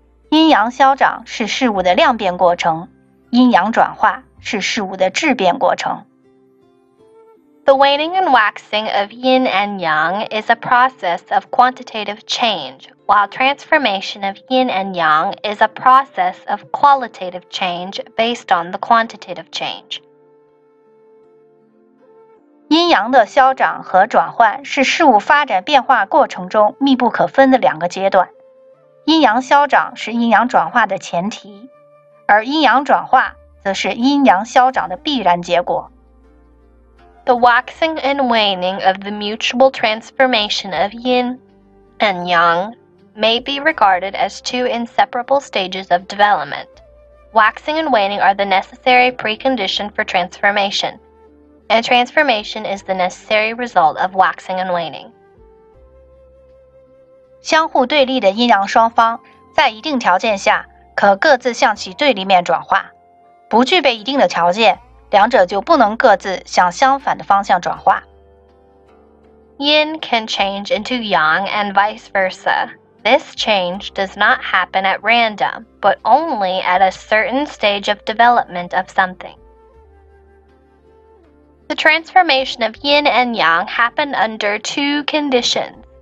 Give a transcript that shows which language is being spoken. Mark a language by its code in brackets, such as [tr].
[zh] 阴阳消长是事物的量变过程，阴阳转化是事物的质变过程。 [en] The waning and waxing of yin and yang is a process of quantitative change, while transformation of yin and yang is a process of qualitative change based on the quantitative change. [zh] 阴阳的消长和转换是事物发展变化过程中密不可分的两个阶段。阴阳消长是阴阳转化的前提，而阴阳转化则是阴阳消长的必然结果。 [en] The waxing and waning of the mutual transformation of yin and yang may be regarded as two inseparable stages of development. Waxing and waning are the necessary precondition for transformation, and transformation is the necessary result of waxing and waning. [zh] 相互对立的阴阳双方在一定条件下可各自向其对立面转化，不具备一定的条件，两者就不能各自向相反的方向转化。 [en] Yin can change into yang and vice versa. This change does not happen at random, but only at a certain stage of development of something. The transformation of yin and yang happen under two conditions.